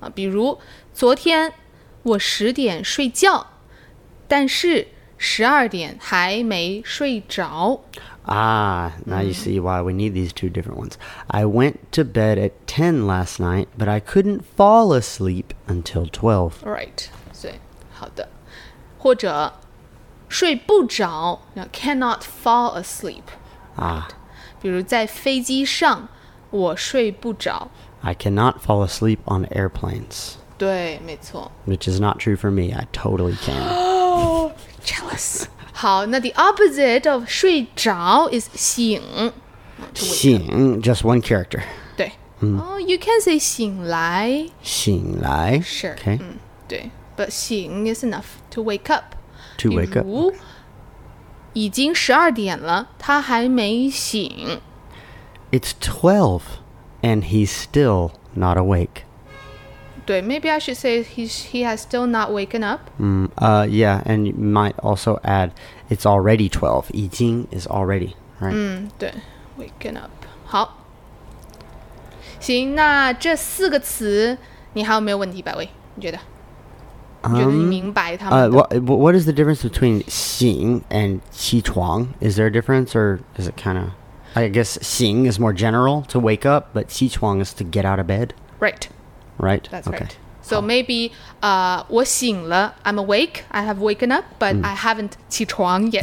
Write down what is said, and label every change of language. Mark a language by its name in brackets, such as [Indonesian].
[Chinese] 比如昨天我十点睡觉，但是十二点还没睡着。 [English] Now you see why we need these two different ones. I went to bed at 10 last night, but I couldn't fall asleep until 12. Right. [Chinese] 所以好的。或者睡不着 [English] cannot fall asleep. 啊， [Chinese] 比如在飞机上，我睡不着。 [English] I cannot fall asleep on airplanes. [Chinese] 对，没错。 [English] Which is not true for me. I totally can. Oh, jealous. [Chinese] 好，那 [English] the opposite of 睡着 is 醒。醒 ，just one character. [Chinese] 对。 [English] You can say 醒来。 [Chinese] 醒来。 [English] Sure. Okay. [Chinese] 对 [English] ，but 醒 is enough to wake up. To wake up. [Chinese] 比如，已经十二点了，他还没醒。 [English] It's 12, and he's still not awake. [Chinese] 对 [English] ，maybe I should say he has still not woken up. Yeah, and you might also add it's already 12. 已经 is already, right? [Chinese] 对 [English] ，waken up. [Chinese] 好，行，那这四个词你还有没有问题，百威？你觉得？ [English] What is the difference between 醒 and 起床? Is there a difference or is it kind of... I guess 醒 is more general to wake up, but 起床 is to get out of bed. Right. Right? That's okay. Right. So maybe [Chinese] 我醒了, [English] I'm awake, I have woken up, but I haven't 起床 yet.